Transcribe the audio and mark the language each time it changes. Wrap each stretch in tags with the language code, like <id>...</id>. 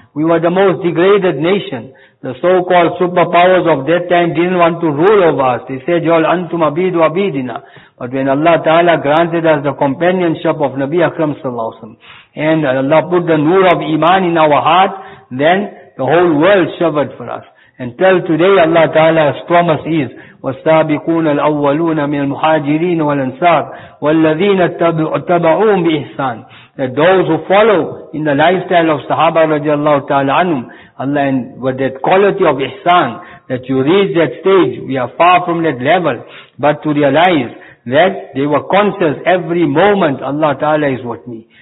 <en>We were the most degraded nation. The so-called superpowers of that time didn't want to rule over us. They said, y'all antum abidu abidina. But when Allah Ta'ala granted us the companionship of Nabi Akram sallallahu alayhi wa sallam, and Allah put the nur of Iman in our heart, then the whole world shivered for us. Until today, Allah Ta'ala's promise is,</en> <ar>وَالسَّابِقُونَ الْأَوَّلُونَ مِنَ الْمُحَاجِرِينَ وَالْأَنْسَارِ وَالَّذِينَ اتَّبَعُوهُمْ بِإِحْسَانٍ.</ar> <en>That those who follow in the lifestyle of Sahaba radiallahu ta'ala anhum, Allah, and with that quality of ihsan, that you reach that stage, we are far from that level, but to realize that they were conscious every moment, Allah Ta'ala is with me.</en>